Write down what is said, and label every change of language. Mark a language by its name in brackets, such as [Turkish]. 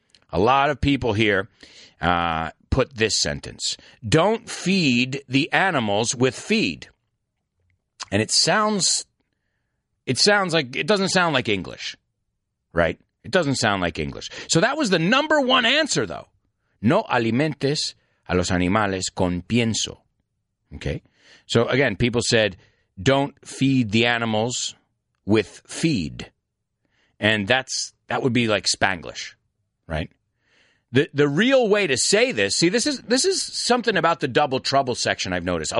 [English] A lot of people here put this sentence. Don't feed the animals with feed. And it doesn't sound like English, right? It doesn't sound like English. So that was the number one answer, though. [Spanish] No alimentes a los animales con pienso. [English] Okay? So again, people said, don't feed the animals with feed. And that would be like Spanglish, right? The real way to say this, see, this is something about the double trouble section I've noticed.